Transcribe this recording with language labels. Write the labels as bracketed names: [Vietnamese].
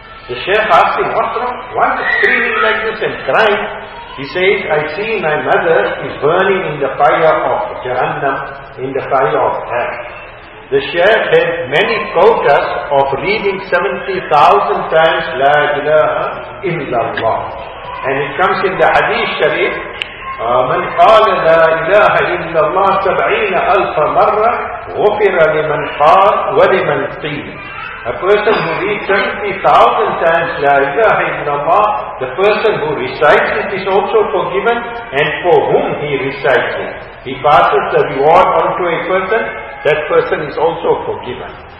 [English] The sheikh asked him, what's wrong? Why is screaming like this and crying? He says, I see my mother is burning in the fire of Jahannam, in the fire of hell. The sheikh had many quotas of reading 70,000 times, La ilaha illallah. And it comes in the hadith sharif, [Arabic] من قال لا إله إلا الله 70,000 مرة غفر لمن قال ولمن قيل. [English] A person who reads 70,000 times La ilaha illallah, the person who recites it is also forgiven, and for whom he recites it. He passes the reward on to a person, that person is also forgiven.